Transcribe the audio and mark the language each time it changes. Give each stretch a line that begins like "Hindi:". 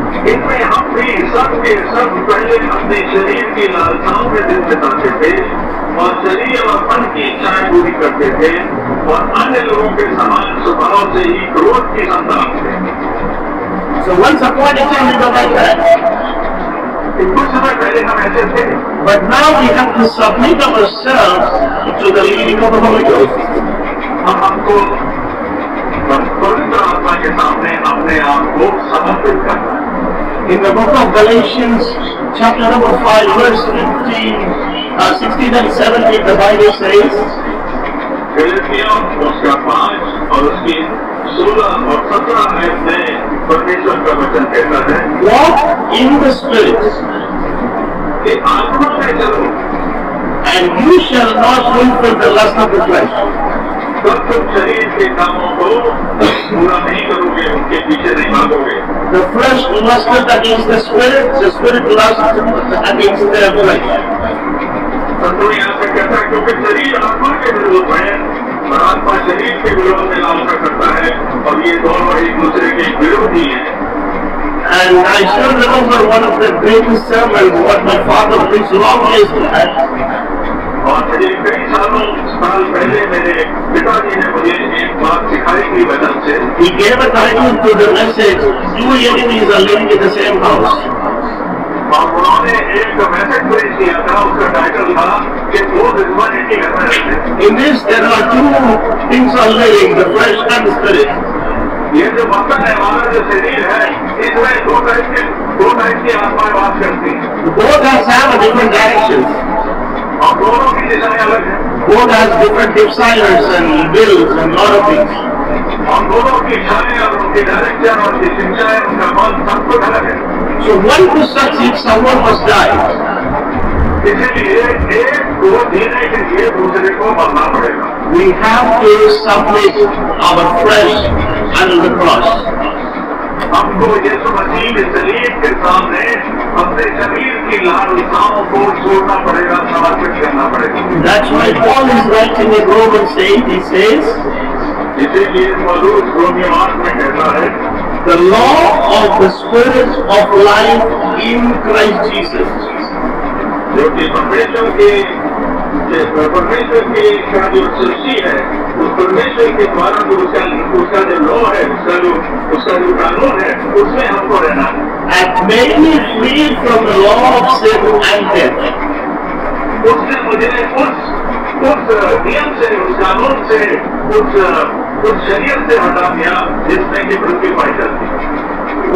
Hindi: इनमें हम भी सब के सब पहले अपने शरीर की लालसाओं में दिन बिताते थे और शरीर और मन की इच्छाएं पूरी करते थे और अन्य लोगों के समान स्वभाव से ही क्रोध की संतान थे.
English: So once upon a time we were like that.
Hindi: कुछ समय पहले हम ऐसे थे.
English: But now we have to submit ourselves to the leading of the Holy Ghost.
Hindi: हम हमको पवित्र आत्मा के सामने अपने आप को समर्पित करना है.
English: In the book of Galatians, chapter number 5, verse 16 and 17, the Bible says,
Hindi: Galatians, उसका 5 और उसकी 16 और 17 में से परमेश्वर का वचन कहता है,
English: Walk in the Spirit,
Hindi: कि आत्मा में चलो,
English: and you shall not fulfill the lust of the flesh.
Hindi: तब तुम शरीर के कामों को पूरा नहीं करोगे, उनके पीछे नहीं भागोगे.
English: The flesh lusteth against the spirit lusts against the flesh.
Hindi: संतों यहाँ पर कहता है क्योंकि शरीर आत्मा के विरुद्ध है और आत्मा शरीर के विरोध में लालसा करता है और ये दोनों एक दूसरे के विरोधी हैं.
English: And I still remember one of the greatest sermons what my father preached long years back.
Hindi: और मुझे कई सालों साल पहले मेरे पिताजी ने मुझे एक बात सिखाई थी वचन से.
English: He gave a title to the message, Two enemies are living in the same house.
Hindi: और उन्होंने एक मैसेज प्रेस किया था, उसका टाइटल था कि दो दुश्मन एक ही घर में रहते हैं.
English: In this there are two things are living, the flesh and the spirit.
Hindi: ये जो बर्तन है, हमारा जो शरीर है, इसमें दो टाइप की आत्माएं बात करती हैं.
English: Both have a different directions.
Hindi: और दोनों की दिशाएं अलग हैं.
English: Both has different desires and wills and lot of things.
Hindi: और दोनों की इच्छाएं और उनके डायरेक्शन और उनकी चिंताएं, उनका मन सब कुछ अलग है.
English: So one who succeeds, someone must die.
Hindi: इसीलिए एक को जीने के लिए दूसरे को मरना पड़ेगा.
English: We have to submit our flesh under the cross.
Hindi: हमको यीशु मसीह के सलीब के सामने अपने शरीर की लालसाओं को छोड़ना पड़ेगा, समर्पित करना पड़ेगा।
English: That's why Paul is writing in Romans 8, he says,
Hindi: इसीलिए पौलुस रोमियों 8 में कहता है,
English: The law of the spirit of life in Christ Jesus.
Hindi: जो कि परमेश्वर के जो सृष्टि है उस परमेश्वर के द्वारा जो उसका जो लॉ है उसका जो कानून है उसमें हमको रहना है।
English: And made me free from the law of sin and death.
Hindi: उसने मुझे उस नियम से उस कानून से उस शरीयत से हटा दिया जिसमें कि मृत्यु पाई जाती।